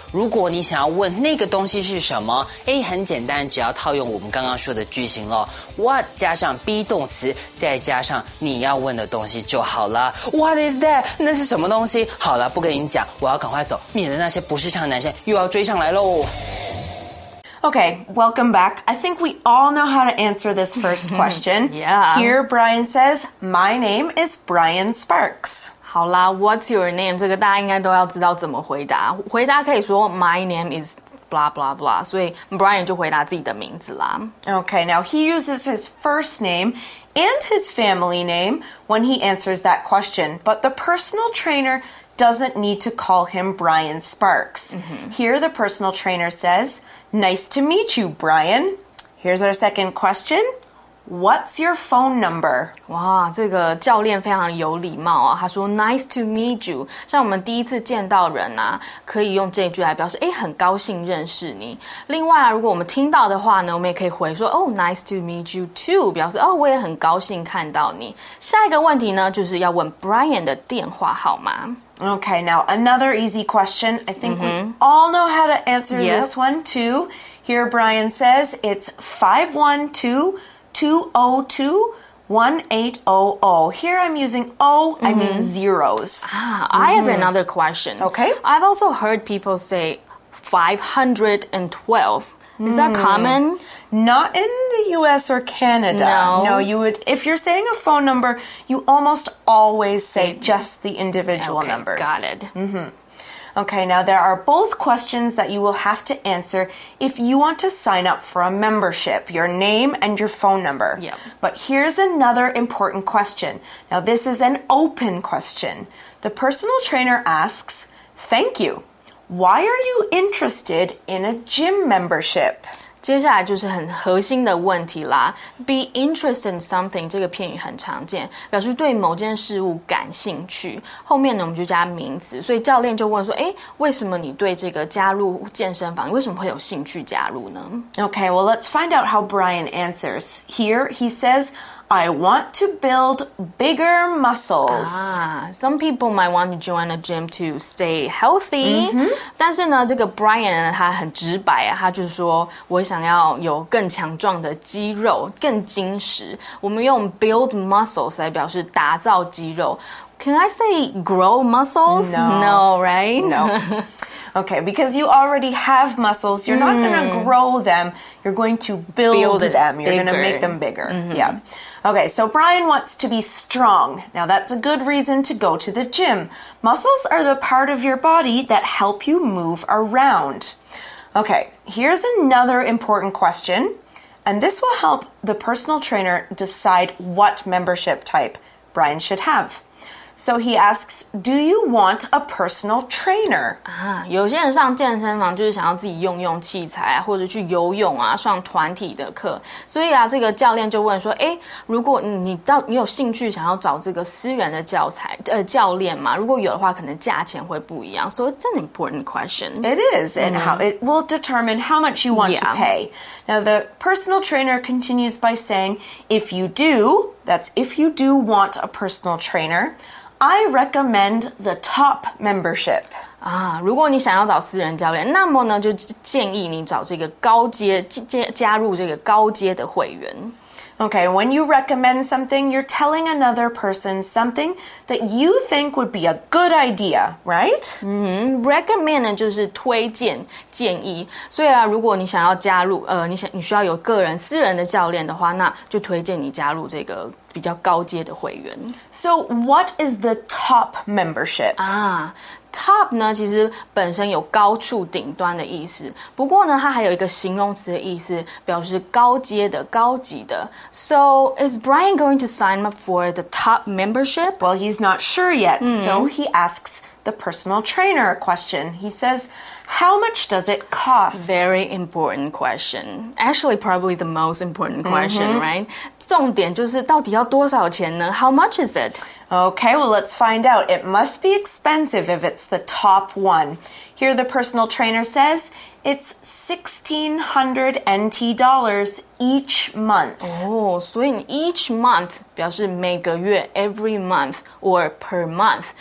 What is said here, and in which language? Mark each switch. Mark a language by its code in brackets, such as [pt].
[zh] 如果你想要问那个东西是什么，诶，很简单，只要套用我们刚刚说的句型咯。 What 加上 be 动词再加上你要问的东西就好了。 [en] What is that? [zh] 那是什么东西？好了，不跟你讲，我要赶快走，免得那些不识相的男生又要追上来咯。 [en] Okay, welcome back. I think we all know how to answer this first question. Yeah. Here, Brian says, my name is Brian Sparks. [zh] 好啦 [en] what's your name? [zh] 这个大家应该都要知道怎么回答。回答可以说 [en] my name is blah blah blah. [zh] 所以 Brian 就回答自己的名字啦。 [en] Okay, now he uses his first name and his family name when he answers that question. But the personal trainer doesn't need to call him Brian Sparks.、Mm-hmm. Here, the personal trainer says... Nice to meet you, Brian. Here's our second question. What's your phone number? [zh] 哇，这个教练非常有礼貌哦。他说 [en] Nice to meet you. [zh] 像我们第一次见到人啊，可以用这句来表示，哎，很高兴认识你。另外啊，如果我们听到的话呢，我们也可以回说 [en] Oh, nice to meet you too. [zh] 表示哦，我也很高兴看到你。下一个问题呢，就是要问 Brian 的电话号码。 [en] Okay, now another easy question. I think、mm-hmm. we all know how to answer、yep. this one too. Here Brian says it's 512-202-1800. Here I'm using O,、mm-hmm. I mean zeros. Ah,、mm-hmm. I have another question. Okay. I've also heard people say 512. Is that common? Not in the US or Canada. No. No, you would, if you're saying a phone number, you almost always say just the individual okay, numbers. Got it. Mm-hmm. Okay, now there are both questions that you will have to answer if you want to sign up for a membership, your name and your phone number. Yep. But here's another important question. Now, this is an open question. The personal trainer asks, thank you. Why are you interested in a gym membership? [zh] 接下来就是很核心的问题啦。 [en] Be interested in something [zh] 这个片语很常见，表示对某件事物感兴趣。后面呢，我们就加名词。所以教练就问说，诶，为什么你对这个加入健身房，为什么会有兴趣加入呢？ [en] Okay, well, let's find out how Brian answers. Here, he says... I want to build bigger muscles. Ah, some people might want to join a gym to stay healthy.、 Mm-hmm. [zh] 但是呢，这个 Brian 他很直白啊，他就是说我想要有更强壮的肌肉，更精实。我们用 build muscles 来表示打造肌肉。 [en] Can I say grow muscles? No, right? No. Okay, because you already have muscles, you're not going to grow them. You're going to build them. You're going to make them bigger.、 Mm-hmm. Yeah. Okay, so Brian wants to be strong. Now, that's a good reason to go to the gym. Muscles are the part of your body that help you move around. Okay, here's another important question. And this will help the personal trainer decide what membership type Brian should have. So he asks, do you want a personal trainer? [zh] 有些人上健身房就是想要自己用用器材啊，或者去游泳啊，上团体的课。所以啊，这个教练就问说，诶，如果你有兴趣想要找这个私人的教练吗？如果有的话，可能价钱会不一样。 [en] So it's an important question. It is, and how it will determine how much you want to pay. Now the personal trainer continues by saying, if you do... That's if you do want a personal trainer, I recommend the top membership. [zh] 啊，如果你想要找私人教练，那么呢，就建议你找这个高阶，加入这个高阶的会员。 [en] Okay, when you recommend something, you're telling another person something that you think would be a good idea, right? Mm-hmm. [zh] Recommend 就是推荐建议。所以啊，如果你想要加入，你需要有个人私人的教练的话，那就推荐你加入这个比较高阶的会员。 [en] So, what is the top membership? [zh] Top 呢，其实本身有高处、顶端的意思。不过呢，它还有一个形容词的意思，表示高阶的、高级的。 [en] So is Brian going to sign up for the top membership? Well, he's not sure yet. So he asks the personal trainer a question. He says, "How much does it cost?" Very important question. Actually, probably the most important question, right? [zh] 重点就是到底要多少钱呢 ？ [en] How much is it? Okay, well, let's find out. It must be expensive if it's the top one. Here, the personal trainer says it's 1,600 NT dollars each month. Oh, so in each month [zh] 表示每个月 [en] every month or per month.